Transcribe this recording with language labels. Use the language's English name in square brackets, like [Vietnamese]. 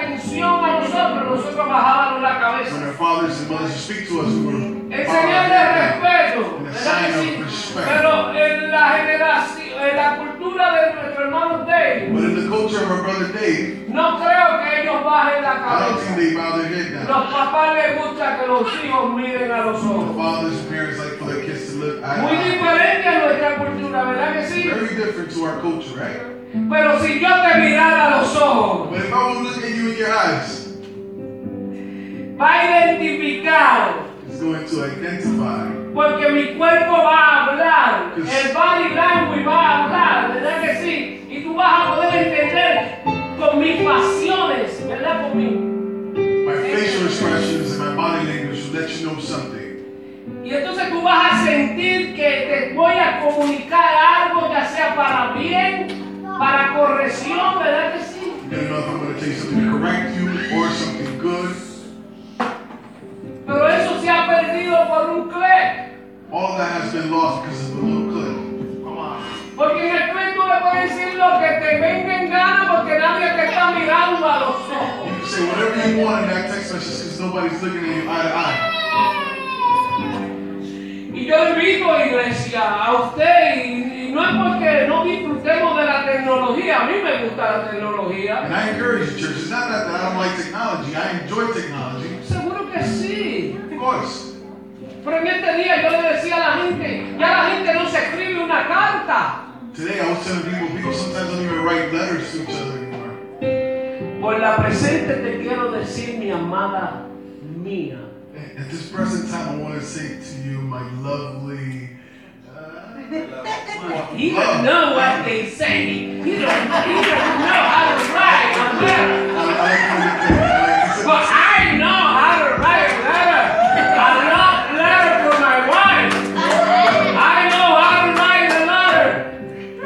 [English] When our fathers and mothers speak to us, we're [Spanish] en señal de respeto, pero en la generación, en la cultura de nuestro hermano Dave, [English] but in the culture of our brother Dave, [Spanish] no creo que ellos bajen la cabeza. [English] I don't think they bow their head down. [Spanish] Los papás les gusta que los hijos miren a los ojos. [English] The fathers and parents like for their kids to look. [Spanish] Muy diferente a nuestra cultura, ¿verdad que sí? [English] Very different to our culture, right? [Spanish] Pero si yo te mirara a los ojos, [English] but if I would look at you in your eyes, [Spanish] va a identificar. [English] Going to identify. [Spanish] Porque mi cuerpo va a hablar. El [English] body language [Spanish] va a hablar, ¿verdad que sí? Y tú vas a poder entender con mis pasiones, ¿verdad? Con mi. [English] My facial expressions and my body language will let you know something. [Spanish] Y entonces tú vas a sentir que te voy a comunicar algo, ya sea para bien, para corrección, ¿verdad que sí? [English] You don't know if I'm going to tell you something to correct you or something good. [Spanish] Pero eso se ha perdido por un clic. [English] All that has been lost because of a little clip. Come on. [Spanish] Porque en el clip tú le puedes decir lo que te venga en gana porque nadie te está mirando a los ojos. [English] You can say whatever you want in that text message because nobody's looking at you eye to eye. [Spanish] Y yo invito, iglesia, a usted, y no es porque no disfrutemos de la tecnología, a mí me gusta la tecnología. [English] And I encourage you, church, it's not that I don't like technology, I enjoy technology. [Spanish] Seguro que sí. [English] Of course. [Spanish] Pero en este día yo le decía a la gente, ya la gente no se escribe una carta. [English] Today I was telling people sometimes don't even write letters to each other anymore. [Spanish] Por la presente te quiero decir, mi amada mía. [English] At this present time, I want to say to you, my lovely. He doesn't know what they say. He doesn't know how to write a letter. But I know how to write a letter. A love letter for my wife.